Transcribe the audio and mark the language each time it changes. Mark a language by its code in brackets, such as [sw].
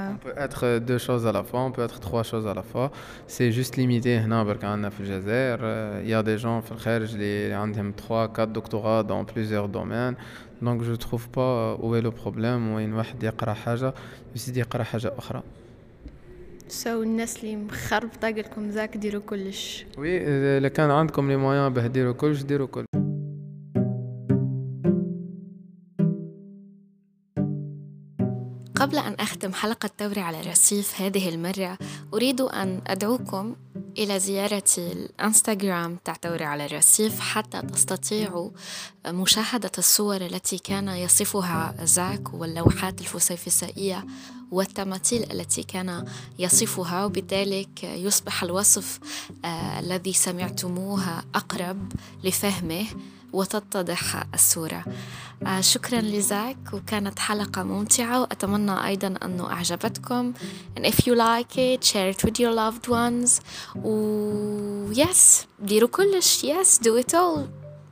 [fr] On peut être 2 choses à la fois, on peut être 3 choses à la fois. C'est juste limité. Il y a des gens qui ont 3-4 doctorats dans plusieurs domaines. Donc, je ne trouve pas où est le problème. Où une personne qui a fait une chose, elle a fait une autre. [ar] سو الناس اللي مخربطه قال لكم زاك ديروا كلش وي اللي كان عندكم لي مويان باه ديروا كلش ديروا كل قبل ان اختم حلقه توري على الرصيف هذه المره اريد ان ادعوكم الى زياره الانستغرام تاع توري على الرصيف حتى تستطيعوا مشاهده الصور التي كان يصفها زاك واللوحات الفسيفسائيه والتماثيل التي كان يصفها، وبذلك يصبح الوصف الذي سمعتموه أقرب لفهمه وتتضح الصورة. شكرا لزاك وكانت حلقة ممتعة، وأتمنى أيضا أنه أعجبتكم. [en] And if you like it, share it with your loved ones. و yes, [ar] ديروا كلش. [en] Yes, do it all.